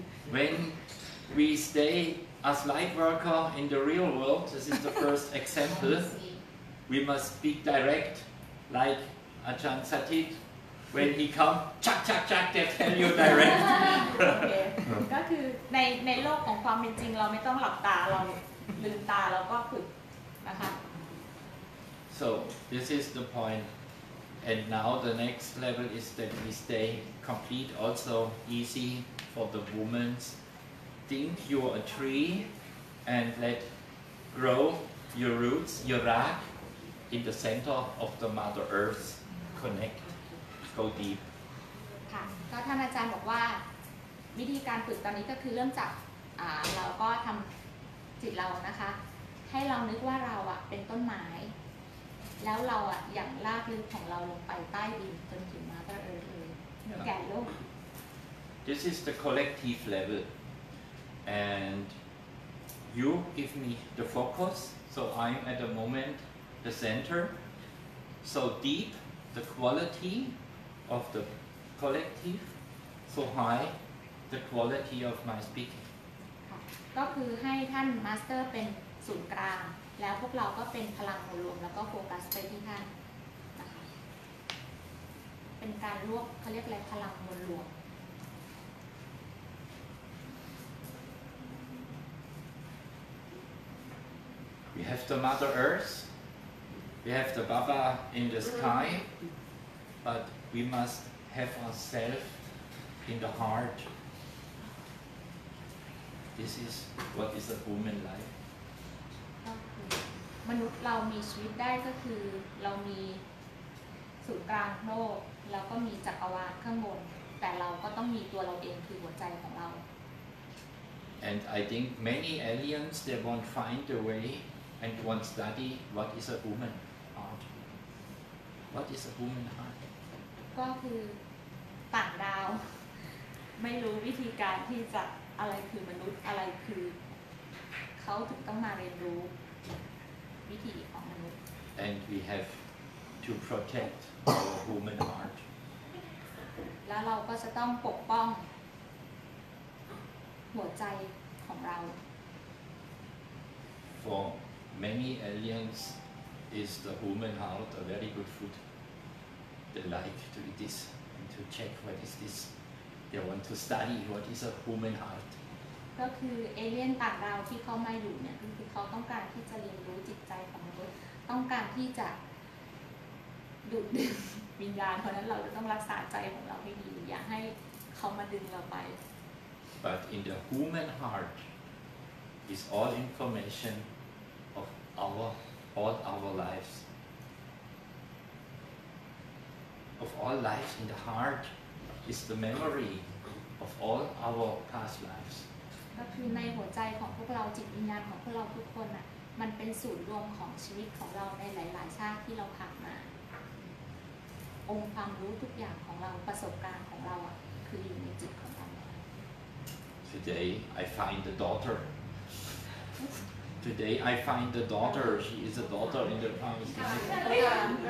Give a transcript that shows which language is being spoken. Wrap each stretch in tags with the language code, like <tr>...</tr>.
<en>When we stay as light worker in the real world, this is the first example, we must speak direct, like Ajahn Satit when he come chak chak chak they tell you direct</en> <th>โอเคก็คือในโลกของความเป็นจริงเราไม่ต้องหลับตาเราลืมตาเราก็ฝึกนะคะ</th> <en>So this is the point and now the next level is that we stay complete also easy for the womanThink you are a tree and let grow your roots, your rag in the center of the Mother Earth. Connect, go deep.</en> <th>ค่ะก็ท่านอาจารย์บอกว่าวิธีการฝึกตอนนี้ก็คือเริ่มจากเราก็ทำจิตเรานะคะให้เรานึกว่าเราอ่ะเป็นต้นไม้แล้วเราอ่ะหยั่งรากลึกของเราลงไปใต้ดินจนถึง Mother Earth เลยแก่โลก</th> <en>This is the collective level. And you give me the focus, so I'm at the moment the center. So deep, the quality of the collective, so high, the quality of my speaking.</en> <th>ก็คือให้ท่านมาสเตอร์เป็นศูนย์กลางแล้วพวกเราก็เป็นพลังรวมแล้วก็โฟกัสไปที่ท่านนะคะเป็นการรวบเขาเรียกอะไรพลังรวม</th> <en>We have the Mother Earth, we have the Baba in the sky, but we must have ourselves in the heart. This is what is a woman like.</en> <th>มนุษย์เรามีชีวิตได้ก็คือเรามีศูนย์กลางโลกแล้วก็มีจักรวาลข้างบนแต่เราก็ต้องมีตัวเราเองคือหัวใจของเรา</th> <en>And I think many aliens they won't find a wayAnd one study, what is a woman heart? What is a woman heart?</en> <th>ก็คือต่างดาวไม่รู้วิธีการที่จะอะไรคือมนุษย์อะไรคือเขาถึงต้องมาเรียนรู้วิธีของมนุษย์</th> <en>And we have to protect our woman heart.</en> <th>แล้วเราก็จะต้องปกป้องหัวใจของเรา</th> <en>For Many aliens is the woman heart a very good food. They like to eat this and to check what is this. They want to study what is a woman heart.</en> <th>ก็คือเอเลี่ยนต่างดาวที่เขาไม่อยู่เนี่ยคือเขาต้องการที่จะเรียนรู้จิตใจของมนุษย์ต้องการที่จะดูดวิญญาณเพราะนั้นเราจะต้องรักษาใจของเราให้ดีอย่าให้เขามาดึงเราไป</th> <en>But in the human heart is all information. All our lives, of all lives in the heart, is the memory of all our past lives.</en> <th>ก็คือในหัวใจของพวกเราจิตวิญญาณของพวกเราทุกคนอ่ะมันเป็นศูนย์รวมของชีวิตของเราในหลายๆชาติที่เราผ่านมาองค์ความรู้ทุกอย่างของเราประสบการณ์ของเราอ่ะคืออยู่ในจิตของเรา</th> <en>Today I find the daughter. Today I find the daughter, she is a daughter in the promised land.</en>